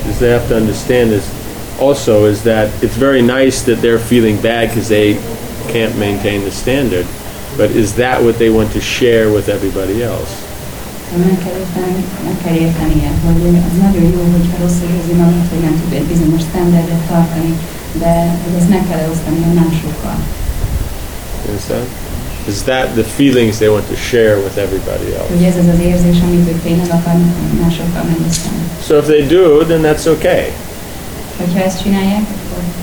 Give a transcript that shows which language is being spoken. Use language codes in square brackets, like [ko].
[en] Is they have to understand is also is that it's very nice that they're feeling bad because they can't maintain the standard, but is that what they want to share with everybody else? [hu] Meg kell értenie, hogy az nagyon jó, hogyha rosszul érzi magát, hogy nem tud egy bizonyos standardet tartani, de hogy ezt meg kell osztani a másokkal. [en] Is that the feelings they want to share with everybody else? [hu] Hogy ez az az érzés, amit ők tényleg akarnak másokkal megosztani. [en] So if they do, then that's okay. [hu] Hogyha ezt csinálják, akkor...